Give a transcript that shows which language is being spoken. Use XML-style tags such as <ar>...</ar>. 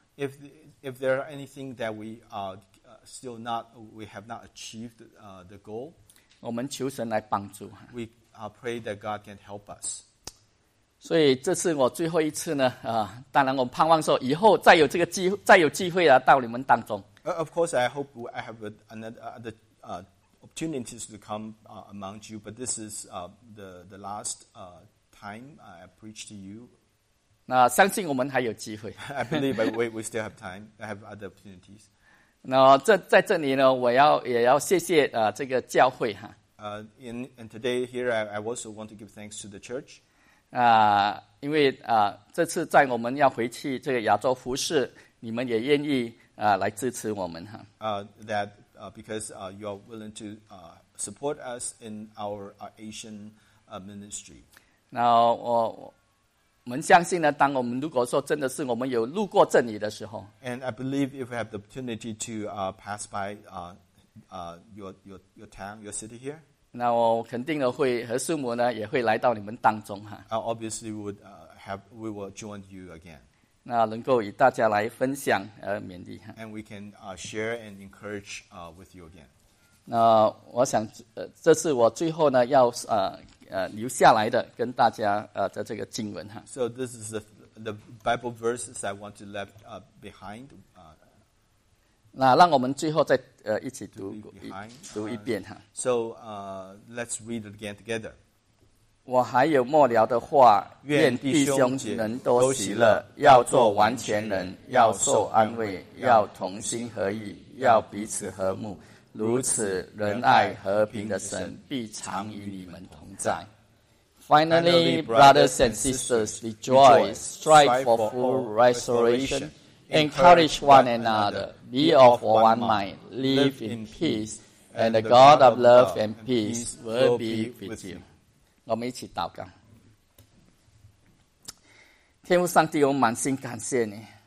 <en>If there are anything that we are still not, we have not achieved the goal,</en> <zh>我们求神来帮助。</zh> <en>We pray that God can help us.</en> <zh>所以这是我最后一次呢，当然我盼望说以后再有这个机会，再有机会来到你们当中。</zh> <en>Of course, I hope I have another opportunities to come among you, but this is the last time I preach to you.</en> <zh>那相信我们还有机会。</zh> <en>I believe we still have time. I have other opportunities.</en> <zh>那这在这里呢，我要也要谢谢这个教会哈。</zh> <en>And today here I also want to give thanks to the church.</en> <zh>因为这次在我们要回去这个亚洲服事，你们也愿意来支持我们哈。</zh> <en>That because you are willing to support us in our Asian ministry.</en> <zh>那我们相信呢，当我们如果说真的是我们有路过这里的时候</zh> <en>，And I believe if we have the opportunity to pass by your town, your city here.</en> <zh>那我肯定的会和师母呢也会来到你们当中哈。</zh> <en>Obviously, we will join you again.</en> <zh>那能够与大家来分享勉励哈。</zh> <en>And we can share and encourage with you again.</en> <zh>那我想这是我最后呢要留下来的跟大家的这个经文哈。</zh> <en>So this is the Bible verses I want to left behind.</en> <zh>那让我们最后再一起读 读一遍哈。</zh> <en>So let's read it again together.</en> <zh>我还有末了的话，愿弟兄能都喜乐，要做完全人，要受安慰，要同心合意，要彼此和睦。如此仁爱和平的神必常与你们同在。</zh> <en>Finally, brothers and sisters, rejoice, strive for full restoration, encourage one another, be of one mind, live in peace, and the God of love and peace will be with you.</en> <zh>我们一起祷告。天父上帝，我满心感谢你。</zh>